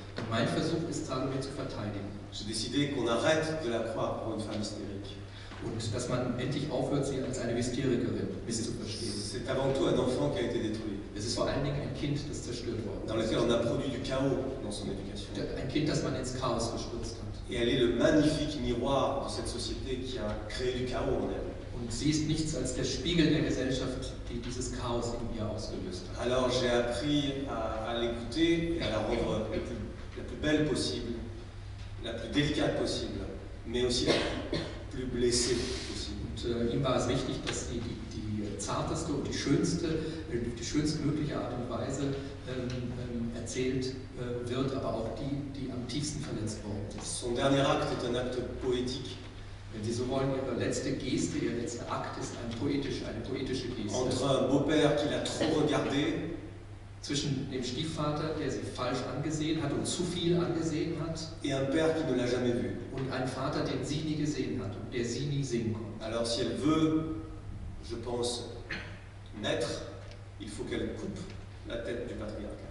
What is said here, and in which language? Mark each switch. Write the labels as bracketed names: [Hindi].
[German] Mein Versuch ist, Salomé zu verteidigen. [French] J'ai décidé qu'on arrête de la croire pour une femme hystérique. [German] Und dass man endlich aufhört, sie als eine Hysterikerin zu verstehen. [French] C'est avant tout un enfant qui a été détruit. [German] Es ist vor allen Dingen ein Kind, das zerstört worden. [French] Dans lequel on a produit du chaos dans son éducation. [German] Ein Kind, das man ins Chaos gestürzt hat. [French] Et elle est le magnifique miroir de cette société qui a créé du chaos en elle. [German] Und sie ist nichts als der Spiegel der Gesellschaft, die dieses Chaos in ihr ausgelöst hat. [French] Alors j'ai appris à l'écouter et à la rendre la plus belle possible, la plus délicate possible, mais aussi la plus blessée possible. [German] Und ihm war es wichtig, dass sie die zarteste und die schönstmögliche Art und Weise erzählt wird, aber auch die am tiefsten verletzt worden ist. [French] Son dernier acte est un acte poétique. [German] Wenn Sie so wollen, ihre letzte Geste, ihr letzter Akt ist eine poetische Geste. [French] Entre un beau-père qui l'a trop regardé, [German] zwischen dem Stiefvater, der sie falsch angesehen hat und zu viel angesehen hat, [French] et un père qui ne l'a jamais vu. [German] Und ein Vater, den sie nie gesehen hat und der sie nie sehen konnte. [French] Alors, si elle veut, je pense, naître, il faut qu'elle coupe la tête du patriarcat.